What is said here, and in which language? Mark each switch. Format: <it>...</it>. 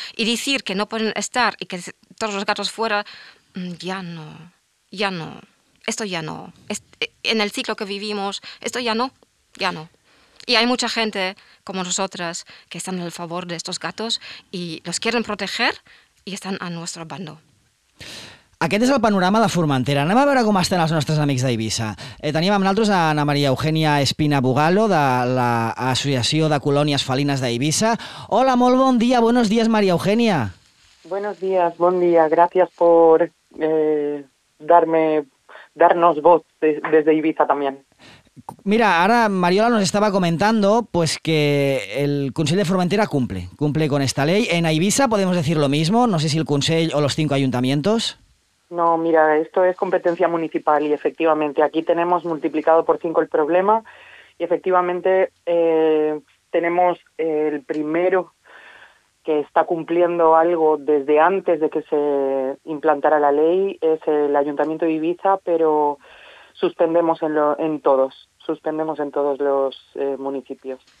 <es>Y decir que no pueden estar y que todos los gatos fuera, ya no. Esto ya no. En el ciclo que vivimos, esto ya no. Y hay mucha gente como nosotras que están a favor de estos gatos y los quieren proteger y están a nuestro bando.</es> <ca>Aquest és el panorama de Formentera. Anem a veure com estan els nostres amics d'Eivissa. Tenim amb nosaltres a Anna Maria Eugènia Espina Bugalo, de l'Associació de Colònies Felines d'Eivissa. Hola, molt bon dia.</ca> <es>Buenos días,</es> <ca>Maria Eugènia.</ca> <es>Buenos días,</es> <ca>bon dia. Gràcies per</ca> <es>darnos voz</es> <ca>des d'Eivissa també.</ca> <es>Mira, ahora Mariola nos estaba comentando pues que el Consell de Formentera cumple con esta ley. En Eivissa podemos decir lo mismo, no sé si el Consell o los 5 ayuntamientos... No, mira, esto es competencia municipal y efectivamente aquí tenemos multiplicado por 5 el problema y efectivamente tenemos el primero que está cumpliendo algo desde antes de que se implantara la ley, es el Ayuntamiento de Eivissa, pero suspendemos en todos los municipios.</es>